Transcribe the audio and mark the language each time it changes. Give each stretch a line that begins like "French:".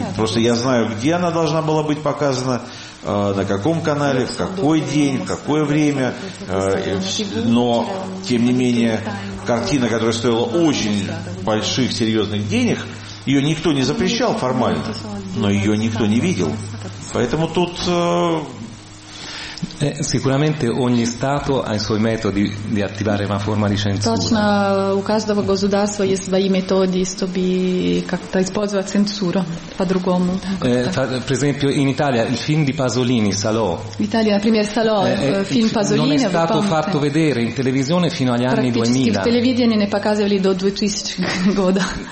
Russian: Просто я знаю, где она должна была быть показана, на каком канале, в какой день, в какое время. Но, тем не менее, картина, которая стоила очень больших, серьезных денег, ее никто не запрещал формально, но ее никто не видел. Поэтому тут...
Italian: Sicuramente ogni Stato ha i suoi metodi di attivare una forma di censura.
Russian: Точно, у каждого государства есть свои методы, чтобы как-то использовать цензуру по-другому.
Italian: Per esempio, in Italia, il film di Pasolini, Salò. In Italia,
Russian: например, Salò, film Pasolini.
Italian: Non è stato fatto vedere in televisione fino agli anni 2000.
Russian: В телевидении не показывали до 2000 года.